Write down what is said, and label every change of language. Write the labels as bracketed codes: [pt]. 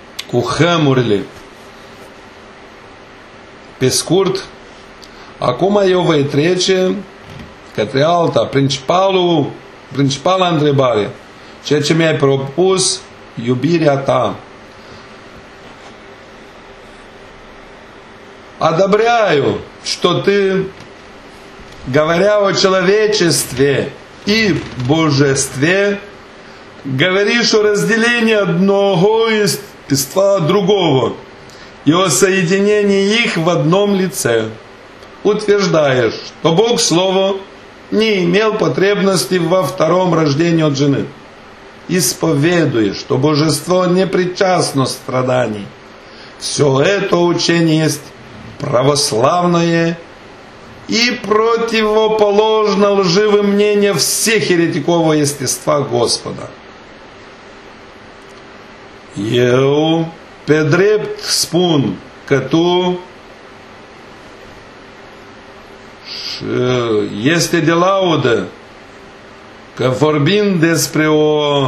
[ro] cu hămurile pe scurt, acum eu voi trece către alta, principala întrebare, ceea ce mi-ai propus, iubirea ta. [ru] Одобряю, что ты, говоря о человечестве и божестве, говоришь о разделении одного естества другого и о соединении их в одном лице. Утверждаешь, что Бог Слово не имел потребности во втором рождении от жены. Исповедуя, что божество не причастно страданий. Все это учение есть православное и противоположно лживым мнениям всех еретиков естества Господа. [ro] Eu pe drept spun că tu este de laudă că vorbind despre o